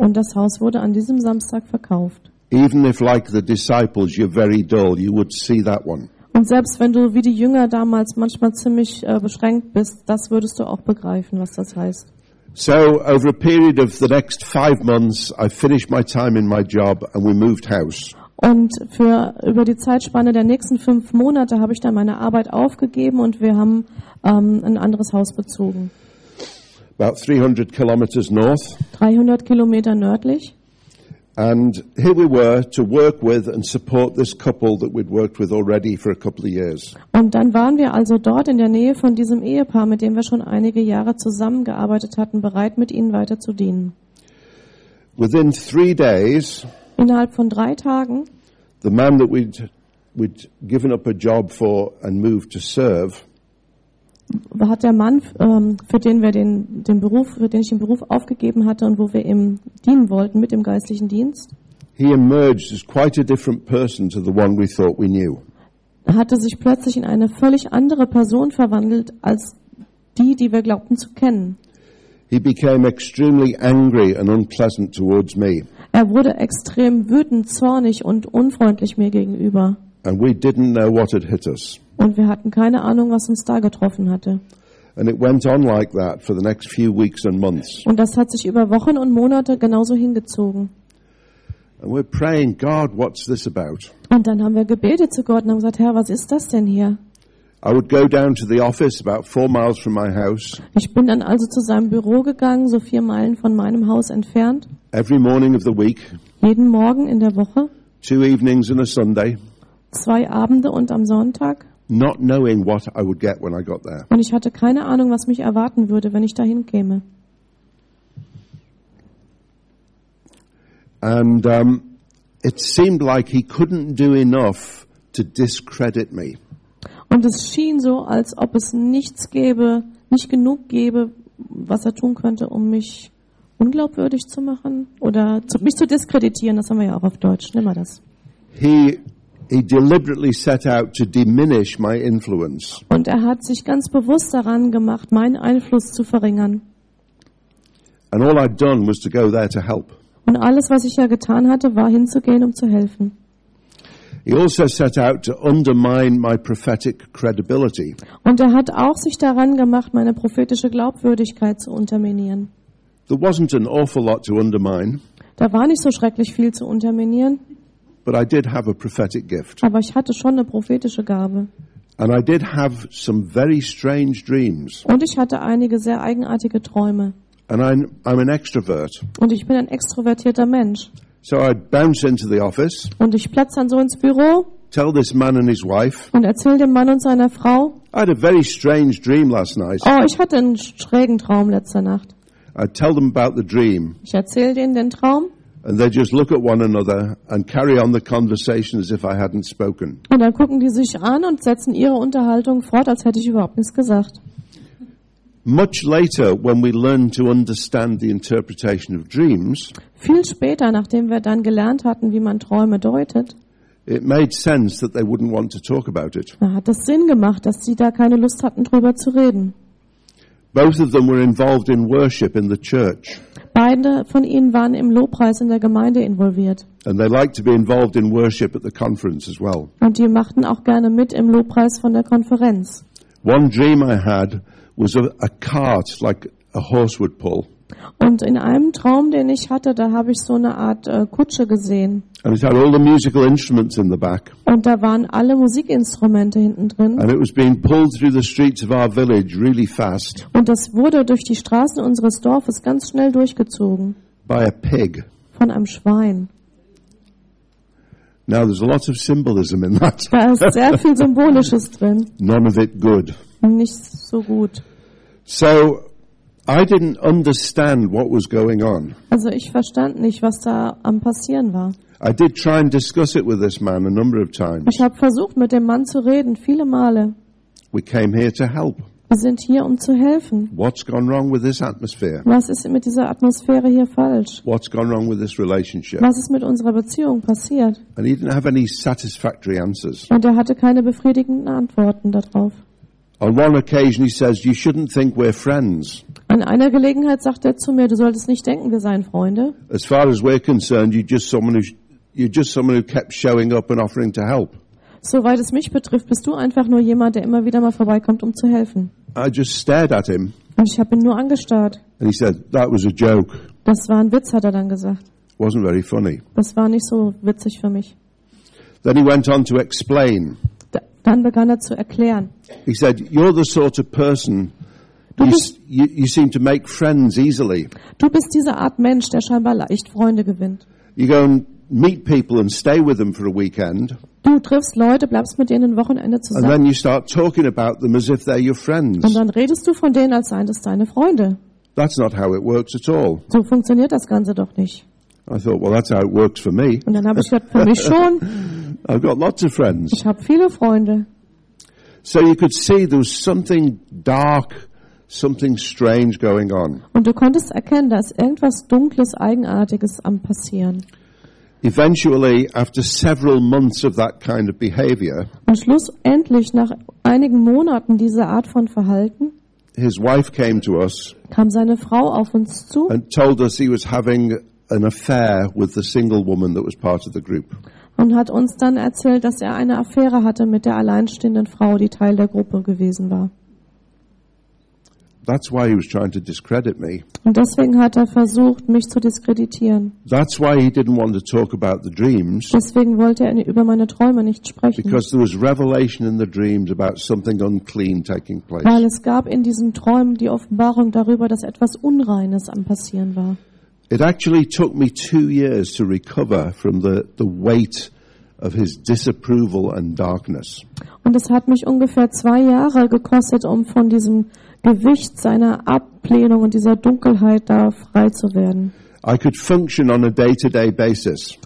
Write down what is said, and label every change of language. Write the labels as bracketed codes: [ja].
[de] Und das Haus wurde an diesem Samstag verkauft. [en] Even if like the disciples you're very dull, you would see that one. [de] Und Und selbst wenn du wie die Jünger damals manchmal ziemlich beschränkt bist, das würdest du auch begreifen, was das heißt. [en] So over a period of the next 5 months, I finished my time in my job and we moved house. [de] Und für über die Zeitspanne der nächsten 5 Monate habe ich dann meine Arbeit aufgegeben und wir haben ein anderes Haus bezogen. [en] About 300 kilometers north. [de] 300 Kilometer nördlich. [en] And here we were to work with and support this couple that we'd worked with already for a couple of years. [de] Und dann waren wir also dort in der Nähe von diesem Ehepaar, mit dem wir schon einige Jahre zusammengearbeitet hatten, bereit, mit ihnen weiter zu dienen. [en] Within 3 days. [de] Innerhalb von 3 Tagen. [en] The man that we'd given up a job for and moved to serve. [de] Hat der Mann, für den wir den Beruf, für den ich den Beruf aufgegeben hatte und wo wir ihm dienen wollten mit dem geistlichen Dienst, [en] he emerged as quite a different person to the one we thought we knew. [de] Hatte sich plötzlich in eine völlig andere Person verwandelt als die wir glaubten zu kennen. [en] He became extremely angry and unpleasant towards me. [de] Er wurde extrem wütend, zornig und unfreundlich mir gegenüber. [en] And we didn't know what had hit us. [de] Und wir hatten keine Ahnung, was uns da getroffen hatte. [en] And it went on like that for the next few weeks and months. [de] Und das hat sich über Wochen und Monate genauso hingezogen. [en] And we're praying, God, what's this about? [de] Und dann haben wir gebetet zu Gott und haben gesagt, Herr, was ist das denn hier? [en] I would go down to the office about 4 miles from my house. [de] Ich bin dann also zu seinem Büro gegangen, so 4 Meilen von meinem Haus entfernt. [en] Every morning of the week. [de] Jeden Morgen in der Woche. [en] 2 evenings and a Sunday. [de] 2 Abende und am Sonntag. [en] Not knowing what I would get when I got there. [de] Und ich hatte keine Ahnung, was mich erwarten würde, wenn ich dahin käme. [en] And it seemed like he couldn't do enough to discredit me. [de] Und es schien so, als ob es nichts gäbe, nicht genug gäbe, was er tun könnte, um mich unglaubwürdig zu machen oder mich zu diskreditieren. Das haben wir ja auch auf Deutsch. Nimm mal das. [en] He deliberately set out to diminish my influence. [de] Und er hat sich ganz bewusst daran gemacht, meinen Einfluss zu verringern. [en] And all I'd done was to go there to help. [de] Und alles, was ich ja getan hatte, war hinzugehen, um zu helfen. [en] He also set out to undermine my prophetic credibility. [de] Und er hat auch sich daran gemacht, meine prophetische Glaubwürdigkeit zu unterminieren. [en] There wasn't an awful lot to undermine. [de] Da war nicht so schrecklich viel zu unterminieren. [en] But I did have a prophetic gift. [de] Aber ich hatte schon eine prophetische Gabe. [en] And I did have some very strange dreams. [de] Und ich hatte einige sehr eigenartige Träume. [en] And I'm an extrovert. [de] Und ich bin ein extrovertierter Mensch. [en] So I'd bounce into the office. [de] Und ich platze dann so ins Büro. [en] Tell this man and his wife. [de] Und erzähle dem Mann und seiner Frau. [en] I had a very strange dream last night. [de] Oh, ich hatte einen schrägen Traum letzte Nacht. [en] I'd tell them about the dream. [de] Ich erzähle denen den Traum. [en] And they just look at one another and carry on the conversation as if I hadn't spoken. [de] Und dann gucken die sich an und setzen ihre Unterhaltung fort, als hätte ich überhaupt nichts gesagt. [en] Much later, when we learned to understand the interpretation of dreams, [de] viel später, nachdem wir dann gelernt hatten, wie man Träume deutet, [en] it made sense that they wouldn't want to talk about it. [de] Da hat es Sinn gemacht, dass sie da keine Lust hatten, drüber zu reden. [en] Both of them were involved in worship in the church. [de] Beide von ihnen waren im Lobpreis in der Gemeinde involviert. [en] And they liked to be involved in worship at the conference as well. [de] Und die machten auch gerne mit im Lobpreis von der Konferenz. [en] One dream I had was a cart like a horse would pull. [de] Und in einem Traum, den ich hatte, da habe ich so eine Art Kutsche gesehen. [en] And it had all the musical instruments in the back. [de] Und da waren alle Musikinstrumente hinten drin. [en] And it was being pulled through the streets of our village really fast. [de] Und das wurde durch die Straßen unseres Dorfes ganz schnell durchgezogen. [en] By a pig. [de] Von einem Schwein. [en] Now there's a lot of symbolism in that. [de] Da ist sehr viel Symbolisches drin. [en] None of it good. [de] Nicht so gut. [en] So I didn't understand what was going on. [de] Also ich verstand nicht, was da am passieren war. [en] I did try and discuss it with this man a number of times. [de] Ich habe versucht, mit dem Mann zu reden, viele Male. [en] We came here to help. [de] Wir sind hier, um zu helfen. [en] What's gone wrong with this atmosphere? [de] Was ist mit dieser Atmosphäre hier falsch? [en] What's gone wrong with this relationship? [de] Was ist mit unserer Beziehung passiert? [en] And he didn't have any satisfactory answers. [de] Und er hatte keine befriedigenden Antworten darauf. [en] On one occasion he says, you shouldn't think we're friends. [de] An einer Gelegenheit sagt er zu mir, du solltest nicht denken, wir seien Freunde. [en] As far as we're concerned, you're just someone who kept showing up and offering to help. [de] Soweit es mich betrifft, bist du einfach nur jemand, der immer wieder mal vorbeikommt, um zu helfen. [en] I just stared at him. [de] Und ich habe ihn nur angestarrt. [en] And he said, that was a joke. [de] Das war ein Witz, hat er dann gesagt. [en] Wasn't very funny. [de] Das war nicht so witzig für mich. [en] Then he went on to explain. [de] Dann begann er zu erklären. [en] He said, you're the sort of person you seem to make friends easily. [de] Du bist diese Art Mensch, der scheinbar leicht Freunde gewinnt. [en] You go and meet people and stay with them for a weekend. [de] Du triffst Leute, bleibst mit denen ein Wochenende zusammen. [en] And then you start talking about them as if they're your friends. [de] Und dann redest du von denen, als seien das deine Freunde. [en] That's not how it works at all. [de] So funktioniert das Ganze doch nicht. [en] I thought, well, that's how it works for me. [de] Und dann habe ich gesagt, für mich schon. [en] I've got lots of friends. [de] Ich habe viele Freunde. [en] So you could see there was something dark, something strange going on. [de] Und du konntest erkennen, dass irgendwas Dunkles, Eigenartiges am passieren. [en] Eventually, after several months of that kind of behavior, [de] und schlussendlich nach einigen Monaten dieser Art von Verhalten, [en] his wife came to us, [de] kam seine Frau auf uns zu, [en] and told us he was having an affair with the single woman that was part of the group. [de] Und hat uns dann erzählt, dass er eine Affäre hatte mit der alleinstehenden Frau, die Teil der Gruppe gewesen war. [en] That's why he was trying to discredit me. [de] Und deswegen hat er versucht, mich zu diskreditieren. [en] That's why he didn't want to talk about the dreams. [de] Deswegen wollte er über meine Träume nicht sprechen. [en] Because there was revelation in the dreams about something unclean taking place. [de] Weil es gab in diesen Träumen die Offenbarung darüber, dass etwas Unreines am passieren war. [en] It actually took me 2 years to recover from the weight of his disapproval and darkness. [de] Und es hat mich ungefähr 2 Jahre gekostet, um von diesem Gewicht seiner Ablehnung und dieser Dunkelheit da frei zu werden. [en] I could function on a day-to-day basis.